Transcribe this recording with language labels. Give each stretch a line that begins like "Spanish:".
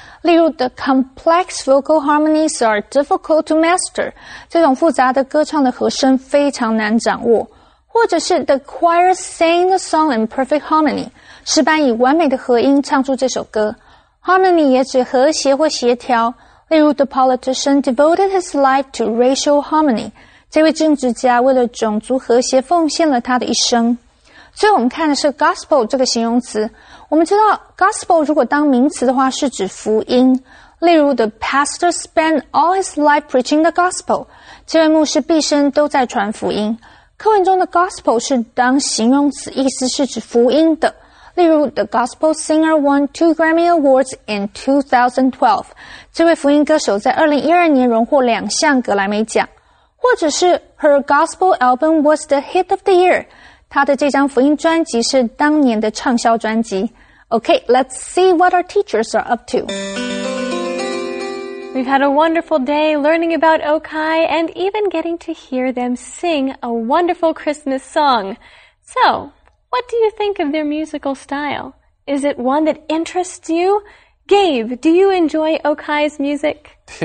Chinese: 例如
English: ,the complex vocal harmonies are difficult to master.
Chinese: 这种复杂的歌唱的和声非常难掌握。或者是
English: ,the choir sang the song in perfect harmony.
Chinese: 诗班以完美的和音唱出这首歌。 Harmony 也指和谐或协调。例如
English: ,the politician devoted his life to racial harmony.
Chinese: 这位政治家为了种族和谐奉献了他的一生。所以我们看的是 gospel 这个形容词。我们知道 gospel 如果当名词的话是指福音。例如
English: the pastor spent all his life preaching the gospel.
Chinese: 这位牧师毕生都在传福音。课文中的 gospel 是当形容词，意思是指福音的。例如
English: the gospel singer won 2 Grammy Awards in 2012.
Chinese: 这位福音歌手在2012年荣获两项格莱美奖。或者是
English: her gospel album was the hit of the year.
Chinese: 他的这张福音专辑是当年的畅销专辑。
English: Okay, let's see what our teachers are up to. We've had a wonderful day learning about Okai and even getting to hear them sing a wonderful Christmas song. So, what do you think of their musical style? Is it one that interests you? Gabe, do you enjoy Okai's music?